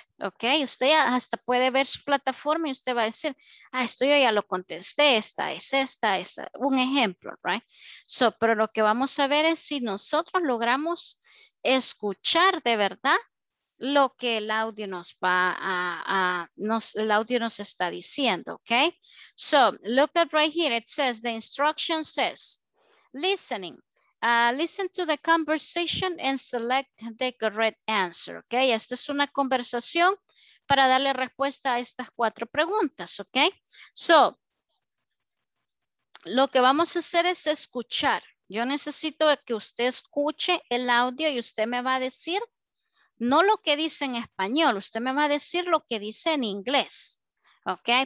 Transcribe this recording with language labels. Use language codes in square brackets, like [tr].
[es] Okay, usted ya hasta puede ver su plataforma y usted va a decir, ah, esto yo ya lo contesté, esta, es un ejemplo, right? So, pero lo que vamos a ver es si nosotros logramos escuchar de verdad lo que el audio nos va el audio nos está diciendo, okay? [en] So, look at right here, it says, the instruction says, listening. Listen to the conversation and select the correct answer, okay? [es] Esta es una conversación para darle respuesta a estas cuatro preguntas, okay? So, lo que vamos a hacer es escuchar. Yo necesito que usted escuche el audio y usted me va a decir, no lo que dice en español, usted me va a decir lo que dice en inglés, okay?